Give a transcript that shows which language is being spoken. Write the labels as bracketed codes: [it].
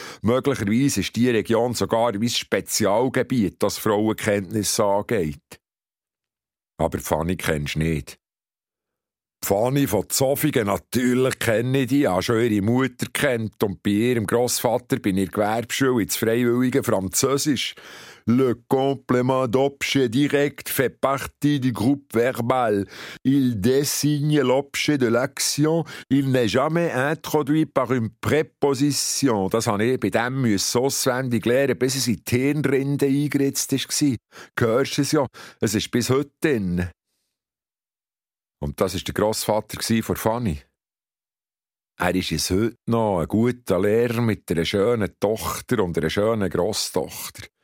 [de] Möglicherweise ist diese Region sogar wie ein Spezialgebiet, das Frauenkenntnis angeht. Aber Fanny kennst du nicht. Fanny von Zoffigen, natürlich kenne ich die, habe schon ihre Mutter kennt und bei ihrem Grossvater bin ich in der Gewerbeschule ins freiwillige Französisch. [fr] Le complément d'objet direct fait partie du groupe verbal. Il désigne l'objet de l'action. Il n'est jamais introduit par une préposition. [de] Das habe ich bei dem müssen auswendig lernen, bis es in die Hirnrinde eingeritzt war. Gehörst du es ja? Es ist bis heute drin. Und das war der Grossvater von Fanny. Er ist es heute noch ein guter Lehrer mit einer schönen Tochter und einer schönen Grosstochter.